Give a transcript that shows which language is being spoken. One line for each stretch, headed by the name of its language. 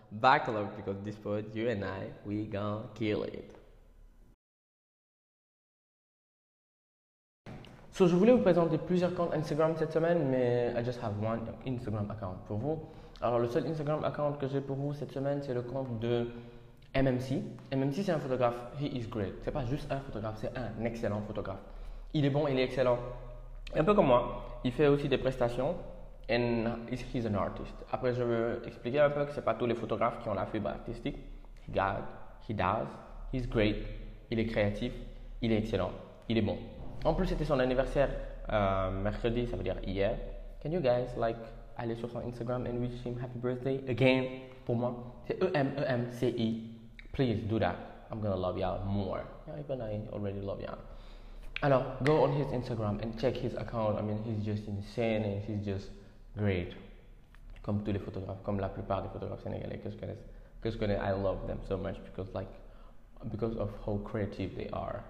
English: Back love, because this pod, you and I, we gonna kill it.
French: So, je voulais vous présenter plusieurs comptes Instagram cette semaine, mais
English: I just have one Instagram account
French: pour vous. Alors, le seul Instagram account que j'ai pour vous cette semaine, c'est le compte de MMC. MMC, c'est un photographe.
English: He is great.
French: C'est pas juste un photographe, c'est un excellent photographe. Il est bon, il est excellent. Un peu comme moi, il fait aussi des prestations.
English: And he's an artist.
French: Après, je veux expliquer un peu que c'est pas tous les photographes qui ont la fibre artistique.
English: He does. He's great.
French: Il est créatif. Il est excellent. Il est bon. En plus, c'était son anniversaire mercredi, ça veut dire hier.
English: Can you guys like
French: aller sur son Instagram
English: and wish him happy birthday again
French: pour moi?
English: C'est E-M-E-M-C-I. Please do that. I'm gonna love y'all more. Yeah, even I already love y'all. Alors, go on his Instagram and check his account. I mean, he's just insane and he's just great.
French: Comme tous les photographes, comme la plupart des photographes sénégalais que je connais. Que je connais,
English: I love them so much because like, because of how creative they are.